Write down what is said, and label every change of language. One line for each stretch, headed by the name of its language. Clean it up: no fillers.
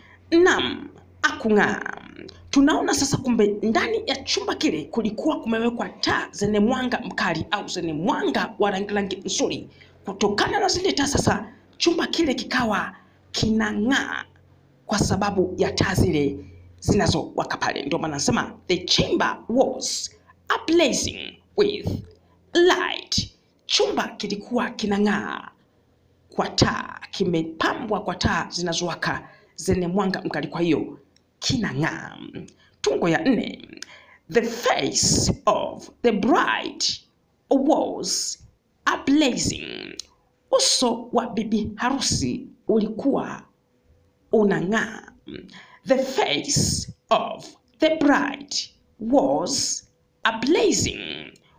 Swahili: Nam akung'aa. Tunaona sasa kumbe ndani ya chumba kile kulikuwa kumewekwa taa zenye mwanga mkali au zenye mwanga wa rangi rangi nzuri. Kutokana na zile taa sasa chumba kile kikawa kinang'aa kwa sababu ya taa zile zinazowaka pale. Ndio maana nasema
English: the chamber was ablazing with light.
Swahili: Chumba kilikuwa kinang'aa kwa taa, kimepambwa kwa taa zinazowaka zenye mwanga mkali, kwa hiyo kinang'aa. Tungo ya nne.
English: The face of the bride was ablazing.
Swahili: Uso wa bibi harusi ulikuwa unang'aa.
English: The face of the bride was ablazing.